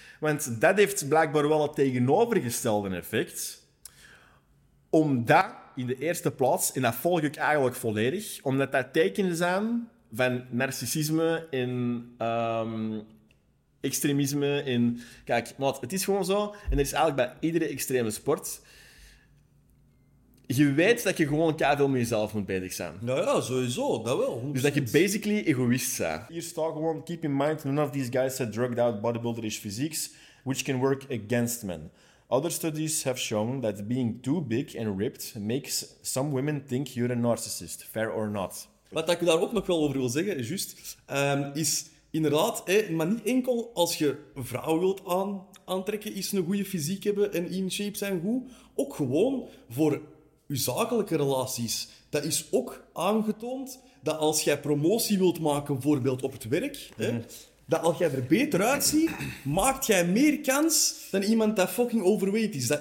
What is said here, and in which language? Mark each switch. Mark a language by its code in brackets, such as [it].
[nl] Want dat heeft blijkbaar wel het tegenovergestelde effect, omdat in de eerste plaats, en dat volg ik eigenlijk volledig, omdat dat tekenen zijn van narcisme en extremisme. En kijk, maat, het is gewoon zo, en dat is eigenlijk bij iedere extreme sport. je weet dat je gewoon keiveel met jezelf moet bezig zijn. Nou ja, sowieso, dat wel. 100%. Dus dat je basically egoïst bent. Hier staat gewoon, [en] keep in mind, none of these guys had drugged out bodybuilderish physiques, which can work against men. Other studies have shown that being too big and ripped makes some women think you're a narcissist, fair or not. [nl] Wat ik daar ook nog wel over wil zeggen, juist, is inderdaad, maar niet enkel als je vrouw wilt aantrekken, is een goede fysiek hebben en in shape zijn goed. Ook gewoon voor je zakelijke relaties. Dat is ook aangetoond dat als jij promotie wilt maken, bijvoorbeeld op het werk, dat als jij er beter uitziet, maakt jij meer kans dan iemand dat fucking overweight is.